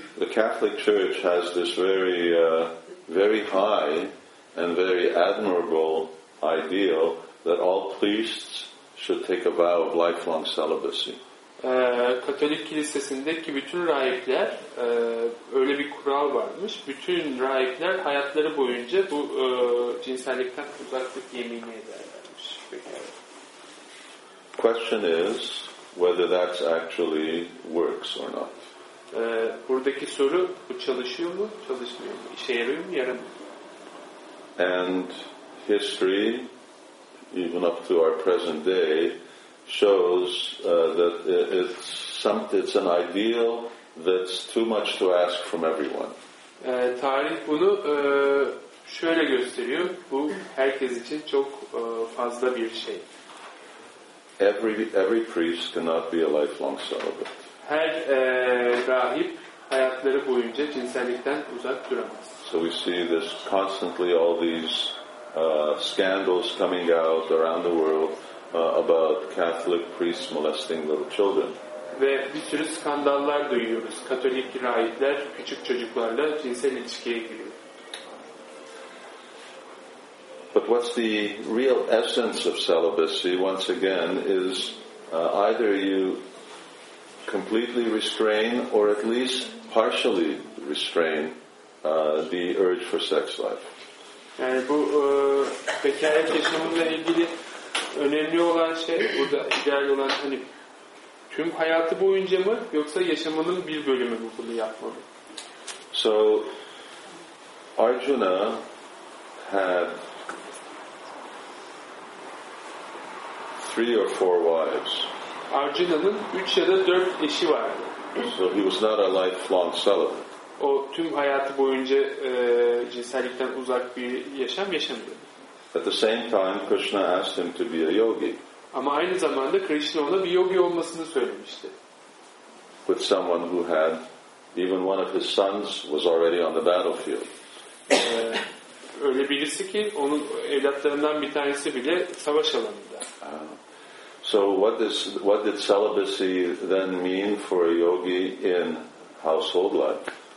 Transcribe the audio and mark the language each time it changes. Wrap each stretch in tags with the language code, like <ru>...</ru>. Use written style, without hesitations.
<en>Catholic Church has this very very high and very admirable ideal that all priests should take a vow of lifelong celibacy.</en> <tr>Katolik kilisesindeki bütün rahipler öyle bir kural varmış. Bütün rahipler hayatları boyunca bu cinsellikten uzaklık yemini ederlermiş.</tr> <en>Question is whether that actually works or not.</en> <tr>Buradaki soru, bu çalışıyor mu, çalışmıyor mu, işe yarıyor mu, yaramıyor mu?</tr> <en>And history, even up to our present day, shows that it's an ideal that's too much to ask from everyone.</en> <tr>Tarih bunu şöyle gösteriyor, bu herkes için çok fazla bir şey.</tr> <en>Every priest cannot be a lifelong celibate.</en> <tr>Her rahip hayatları boyunca cinsellikten uzak duramaz.</tr> <en>So we see this constantly, all these scandals coming out around the world about Catholic priests molesting little children.</en> <tr>Ve bir sürü skandallar duyuyoruz. Katolik rahipler küçük çocuklarla cinsel ilişkiye giriyor.</tr> <en>But what's the real essence of celibacy, once again, is either you completely restrain or at least partially restrain the urge for sex life.</en> <tr>Yani bu bekarlık yaşamıyla ilgili önemli olan şey, burada ideal olan hani tüm hayatı boyunca mı yoksa yaşamının bir bölümü mü bunu yapmalı?</tr> <en>So Arjuna had three or four wives.</en> <tr>Arjuna'nın 3 ya da 4 eşi vardı.</tr> <en>So he was not a lifelong celibate.</en> <tr>O tüm hayatı boyunca cinsellikten uzak bir yaşam yaşamıyor.</tr> <en>At the same time Krishna asked him to be a yogi.</en> <tr>Ama aynı zamanda Krishna ona bir yogi olmasını söylemişti.</tr> <en>With someone who had even one of his sons was already on the battlefield.</en> <tr>Öyle birisi ki onun evlatlarından bir tanesi bile savaş alanında.</tr> <en>So what did celibacy then mean for a yogi in household life?</en>